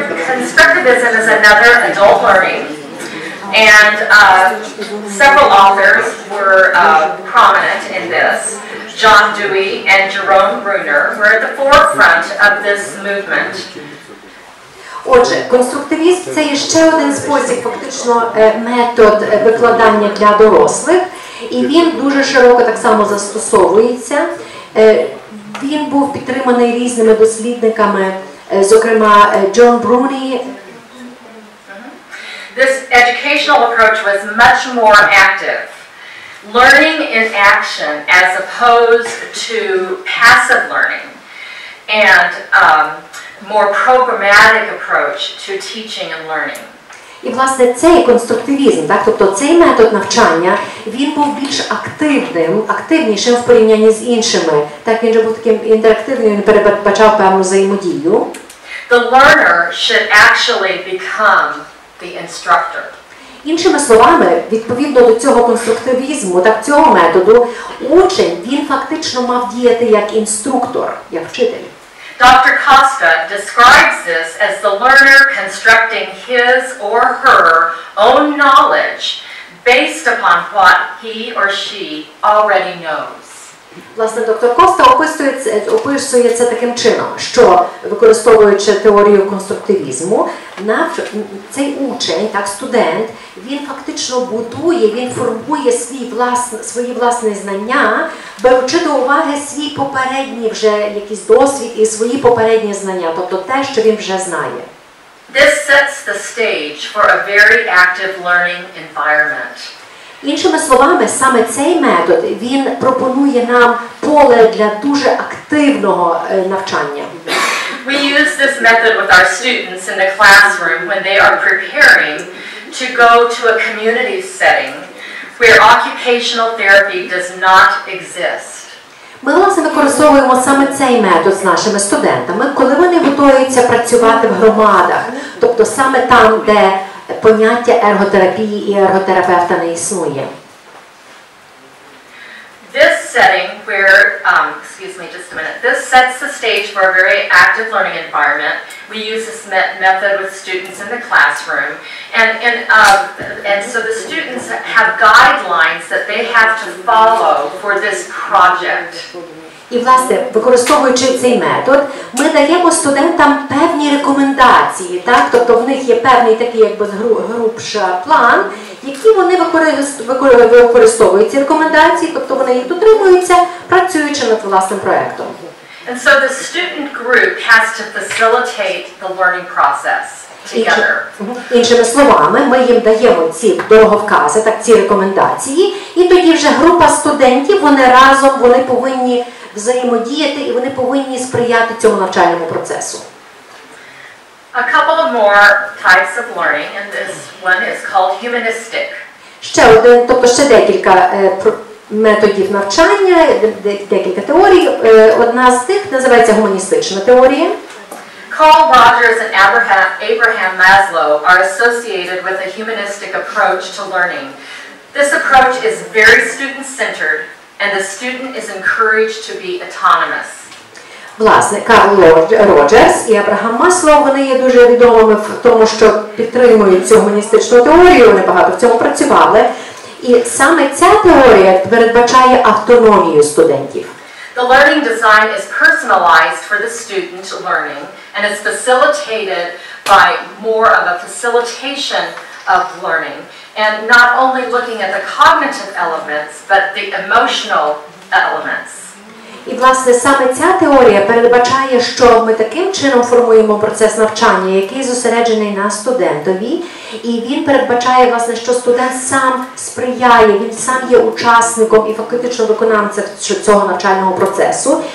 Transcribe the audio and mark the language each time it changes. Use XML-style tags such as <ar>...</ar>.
<en>Constructivism is another adult learning, and several authors were prominent in this. John Dewey and Jerome Bruner were at the forefront of this movement.</en> <uk>Отже, конструктивізм – це ще один спосіб, фактично метод викладання для дорослих, і він дуже широко так само застосовується. Він був підтриманий різними дослідниками, зокрема Джон Бруні.</uk> <en>This educational approach was much more active. Learning in action as opposed to passive learning. And more programmatic approach to teaching and learning.</en> <uk>І власне цей конструктивізм, так, тобто цей метод навчання, він був більш активним, активнішим в порівнянні з іншими. Так, він же був таким інтерактивним, він передбачав певну взаємодію.</uk> <en>The learner should actually become the instructor.</en> <uk>Іншими словами, відповідно до цього конструктивізму, так, цього методу, учень, він фактично мав діяти як інструктор, як вчитель.</uk> <en>Dr. Costa describes this as the learner constructing his or her own knowledge based upon what he or she already knows.</en> <uk>Власне, доктор Коста описує це таким чином, що використовуючи теорію конструктивізму, цей учень, так, студент, він фактично будує, він формує свої власні знання, беручи до уваги свій попередній вже якийсь досвід і свої попередні знання, тобто те, що він вже знає.</uk> <en>This sets the stage for a very active learning environment.</en> <uk>Іншими словами, саме цей метод, він пропонує нам поле для дуже активного навчання.</uk> <en>We use this method with our students in the classroom when they are preparing to go to a community setting where occupational therapy does not exist.</en> <uk>Ми, власне, використовуємо саме цей метод з нашими студентами, коли вони готуються працювати в громадах, тобто саме там, де поняття ерготерапії і ерготерапевта не існує.</uk> <en>This setting where, excuse me just a minute, this sets the stage for a very active learning environment. We use this method with students in the classroom. And so the students have guidelines that they have to follow for this project.</en> <uk>І, власне, використовуючи цей метод, ми даємо студентам певні рекомендації, так? Тобто в них є певний такий якби грубший план, які вони використовують ці рекомендації, тобто вони їх дотримуються, працюючи над власним проєктом.</uk> <en>And so the student group has to facilitate the learning process together.</en> <uk>Іншими словами, ми їм даємо ці дороговкази, так, ці рекомендації, і тоді вже група студентів, вони разом, вони повинні взаємодіяти і вони повинні сприяти цьому навчальному процесу.</uk> <en>A couple of more types of learning, and this one is called humanistic.</en> <uk>Ще один, тобто ще декілька методів навчання, декілька теорій. Одна з них називається гуманістична теорія.</uk> <en>Carl Rogers and Abraham Maslow are associated with a humanistic approach to learning. This approach is very student-centered, and the student is encouraged to be autonomous.</en> <uk>Власне, Карл Роджерс і Абрахам Маслоу, вони є дуже відомими в тому, що підтримують цю гуманістичну теорію, вони багато в цьому працювали. І саме ця теорія передбачає автономію студентів.</uk> <en>The learning design is personalized for the student learning and is facilitated by more of a facilitation of learning and not only looking at the cognitive elements, but the emotional elements.</en> <uk>І, власне, саме ця теорія передбачає, що ми таким чином формуємо процес навчання, який зосереджений на студентові, і він передбачає, власне, що студент сам сприяє, він сам є учасником і фактично виконавцем цього навчального процесу.</uk>